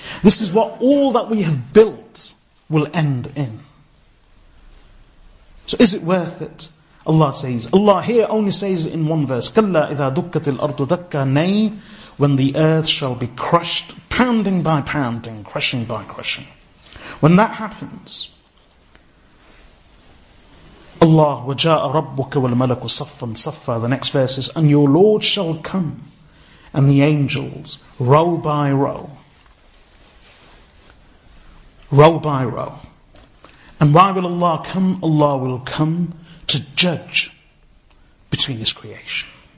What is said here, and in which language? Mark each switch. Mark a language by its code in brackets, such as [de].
[en] This is what all that we have built will end in. So is it worth it? Allah says, Allah here only says it in one verse, [ar] كَلَّا إِذَا دُكَّتِ الْأَرْضُ دَكَّا. [en] Nay, when the earth shall be crushed, pounding by pounding, crushing by crushing. When that happens, Allah, [ar] وَجَاءَ رَبُّكَ وَالْمَلَكُ صَفًّا صَفًّا. [en] The next verse is, and your Lord shall come, and the angels, row by row. Row by row. And why will Allah come? Allah will come to judge between His creation.